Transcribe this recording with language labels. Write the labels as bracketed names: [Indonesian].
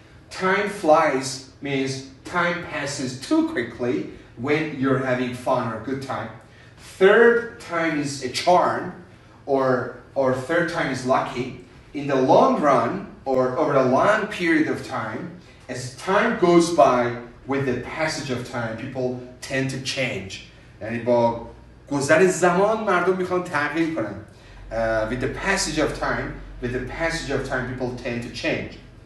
[English] Time flies means time passes too quickly when you're having fun or good time. Third time is a charm, or third time is lucky. In the long run, or over a long period of time, as time goes by with the passage of time, people tend to change. [Persian] یعنی با گذر زمان مردم میخوان تغییر کنن. [English] With the passage of time, people tend to change.